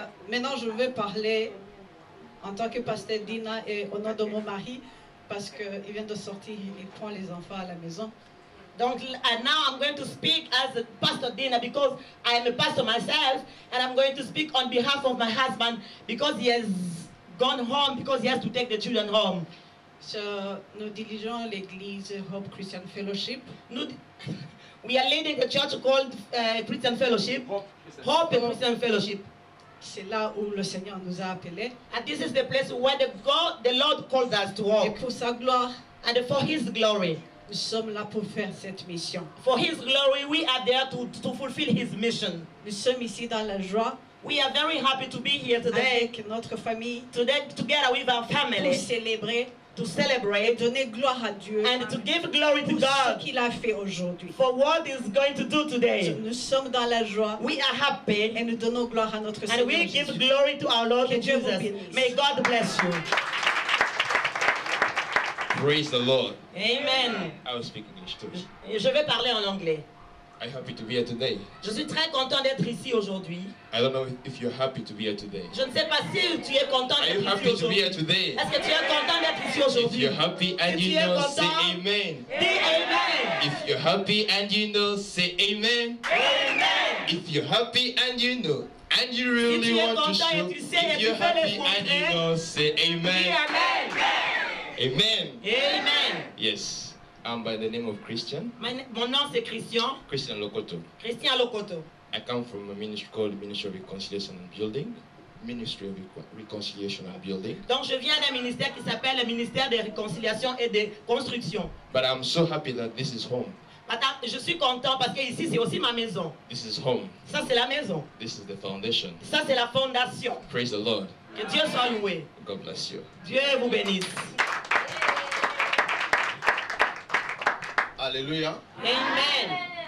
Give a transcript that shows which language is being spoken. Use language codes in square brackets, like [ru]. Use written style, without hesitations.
[fr] Maintenant, je vais parler en tant que pasteur Dina et au nom de mon mari, parce que il vient de sortir, il prend les enfants à la maison. [en] Donc, and now I'm going to speak as Pastor Dina because I am a pastor myself, and I'm going to speak on behalf of my husband because he has gone home because he has to take the children home. [fr] So, nous dirigeons l'église Hope Christian Fellowship. [en] We are leading a church called Christian Fellowship. Hope Christian Fellowship. [fr] C'est là où le Seigneur nous a appelé. [en] And this is the place where the Lord calls us to walk. [fr] Et pour sa gloire. [en] And for his glory. [fr] Nous sommes là pour faire cette mission. [en] For his glory, we are there to fulfill his mission. [fr] Nous sommes ici dans la joie. [en] We are very happy to be here today. [fr] Avec notre famille. [en] Today, together with our family. [fr] Pour célébrer. [en] To celebrate. [fr] Et donner gloire à Dieu. [en] And to give glory to God. [fr] Pour ce qu'il a fait aujourd'hui. [en] For what he's going to do today. [fr] Nous sommes dans la joie. [en] We are happy. [fr] Et nous donnons gloire à notre [en] and [fr] Seigneur [en] Jésus. And we give glory to our Lord Jesus. Vous bénisse. May God bless you. Praise the Lord. Amen. I will speak English too. [fr] Je vais parler en anglais. [en] I'm happy to be here today. [fr] Je suis très content d'être ici aujourd'hui. [en] I don't know if you're happy to be here today. [fr] Je ne sais pas si tu es content d'être ici aujourd'hui. [en] Are you happy to be here today? [fr] Est-ce que tu es content d'être ici aujourd'hui? [en] If you're happy and [fr] si [en] you know, say amen. [fr] Dis amen. [en] If you're happy and you know, say amen. Amen. If you're happy and you know. And you really [fr] si tu es [en] want [fr] content [en] to show, [fr] et tu sais, [en] if you're happy and you know, say amen. [fr] Dis amen. [en] Amen. Amen. Yes. I'm by the name of Christian. [fr] Mon nom c'est Christian. Christian Lokoto. Christian Lokoto. [en] I come from a ministry called Ministry of Reconciliation and Building. Ministry of Reconciliation and Building. [fr] Donc je viens d'un ministère qui s'appelle le ministère de réconciliation et de construction. [en] But I'm so happy that this is home. [fr] Je suis content parce que ici c'est aussi ma maison. [en] This is home. [fr] Ça c'est la maison. [en] This is the foundation. [fr] Ça c'est la fondation. [en] Praise the Lord. [fr] Que Dieu soit loué. [en] God bless you. [fr] Dieu vous bénisse. Alléluia. Amen.